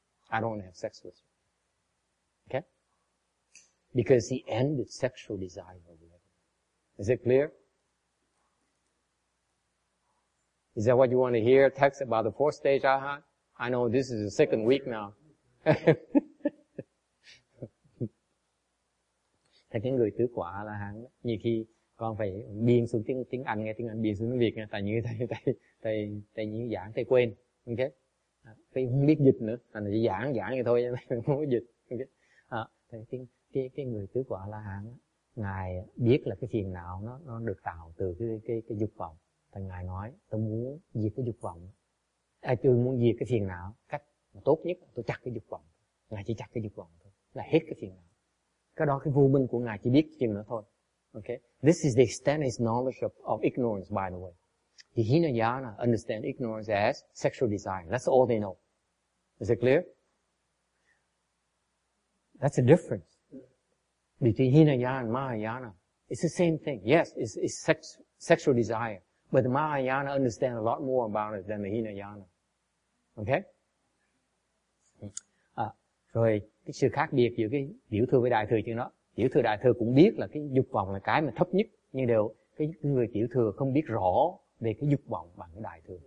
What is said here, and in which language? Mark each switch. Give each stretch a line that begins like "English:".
English: I don't want to have sex with you. Okay? Because he ended sexual desire already. Is it clear? Is that what you want to hear? Text about the fourth stage Arhat? I know this is the second week now.
Vietnamese: Thế cái người trước quả là hắn nhiều khi con phải biên xuống tiếng Anh nghe tiếng Anh biên xuống tiếng Việt nghe tại như thầy như giảng thầy quên ok thầy không biết dịch nữa thành là giảng vậy thôi không có dịch ok thầy cái người trước quả là hắn ngài biết là cái phiền não nó được tạo từ cái dục vọng thầy ngài nói tôi muốn diệt cái dục vọng tôi muốn diệt cái phiền não cách tốt nhất tôi chặt cái dục vọng ngài chỉ chặt cái dục vọng thôi là hết cái phiền não. Cái đó cái vô minh của ngài chỉ biết chừng đó thôi.
English: Okay. This is the extent of his knowledge of ignorance, by the way. The Hinayana understand ignorance as sexual desire. That's all they know. Is it clear? That's the difference between Hinayana and Mahayana. It's the same thing. Yes, it's sexual desire. But the Mahayana understand a lot more about it than the Hinayana. Okay?
Vietnamese: Rồi cái sự khác biệt giữa cái tiểu thừa với đại thừa chứ nó tiểu thừa đại thừa cũng biết là cái dục vọng là cái mà thấp nhất nhưng đều cái người tiểu thừa không biết rõ về cái dục vọng bằng cái đại thừa.